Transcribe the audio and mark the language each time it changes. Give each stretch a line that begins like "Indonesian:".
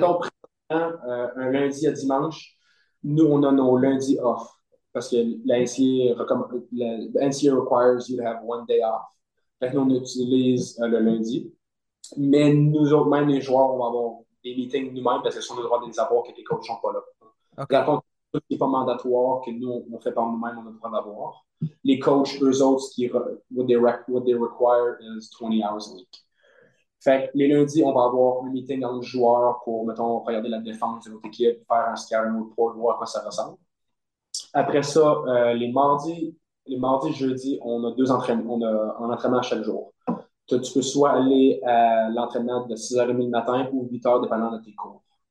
French: mettons, un lundi à dimanche, nous, on a nos lundis off parce que la NCAA
English: requires you to have one day off.
French: Fait que nous, on utilise le lundi. Mais nous autres, même les joueurs, on va avoir des meetings nous-mêmes parce que si on a le droit de les avoir, que les coachs ne sont pas là. OK. Dans le fond, ce qui n'est pas mandatoire, que nous, on fait par nous-mêmes, on a le droit d'avoir. Les coachs, eux autres,
English: what they require is 20 hours a week.
French: Fait que les lundis, on va avoir un meeting entre joueurs pour, mettons, regarder la défense de notre équipe, faire un scouting report, voir à quoi ça ressemble. Après ça, les mardis, jeudi, on a deux entraînements. On a un entraînement à chaque jour. Tu peux soit aller à l'entraînement de 6h30 le matin ou 8h, dépendant de tes cours.